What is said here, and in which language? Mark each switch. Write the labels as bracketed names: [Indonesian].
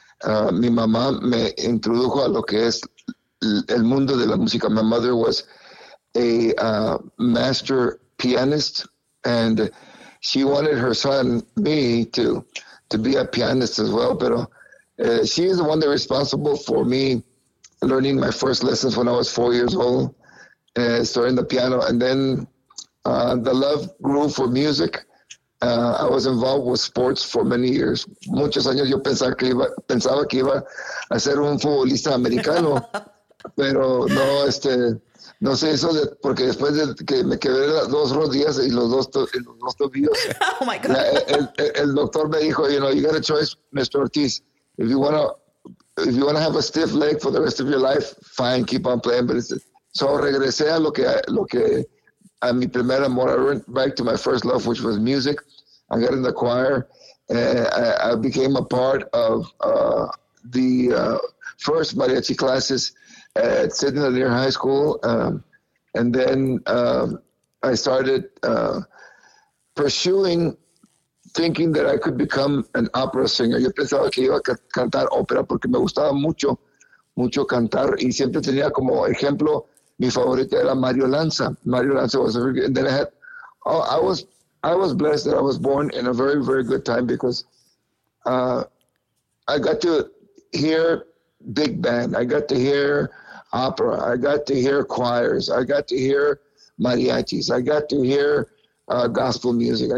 [Spanish] Mi mamá me introdujo a lo que es el mundo de la música. [English] My mother was a master pianist, and she wanted her son, me, to be a pianist as well, pero she is the one that responsible for me learning my first lessons when I was 4 years old, starting the piano. And then the love grew for music. I was involved with sports for many years. [Spanish] Muchos años yo pensaba que iba a ser un futbolista americano, pero no, no sé eso, de, porque después de que me quedé las dos rodillas y los dos tobillos, [English] oh my God. [Spanish] El doctor me dijo, [English] you know, you got a choice, Mr. Ortiz. If you want to if you want to have a stiff leg for the rest of your life, fine, keep on playing. But it's, so [Spanish] regresé a lo que a mi primer amor. [English] I went back to my first love, which was music. I got in the choir, and I became a part of the first mariachi classes at Sidney Lanier High School. And then I started pursuing, thinking that I could become an opera singer. [Spanish] Yo pensaba que iba a cantar ópera porque me gustaba mucho, mucho cantar. Y siempre tenía como ejemplo, mi favorita era Mario Lanza. [English] Mario Lanza was a very good. And then I was blessed that I was born in a very, very good time because I got to hear big band. I got to hear opera. I got to hear choirs. I got to hear mariachis. I got to hear gospel music.